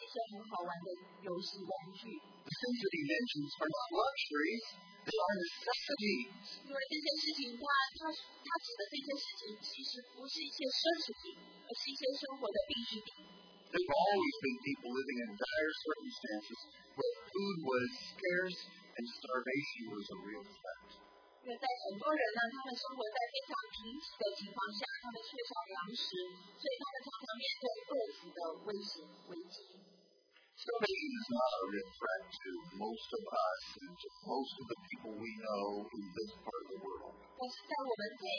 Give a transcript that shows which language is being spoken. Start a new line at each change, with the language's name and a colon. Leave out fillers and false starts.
Chinese: 他并没有说叫我们不要忧虑这些豪华的轿车或是一些很好玩的游戏玩具。
English: The things that he mentions are not luxuries, they are necessities.
Chinese: 因为这些事情,他指的这些事情其实不是一些奢侈品,而是一些生活的必需品。
English: There have always been people living in dire circumstances where food was scarce and starvation was a real threat.
Chinese: 因为在很多人呢,他们生活在非常贫瘠的情况下,他们缺少粮食,所以他们常常面对饿死的危险危机。
English: So, maybe it's not a threat to most of us and to most of the people we know in this part of the world.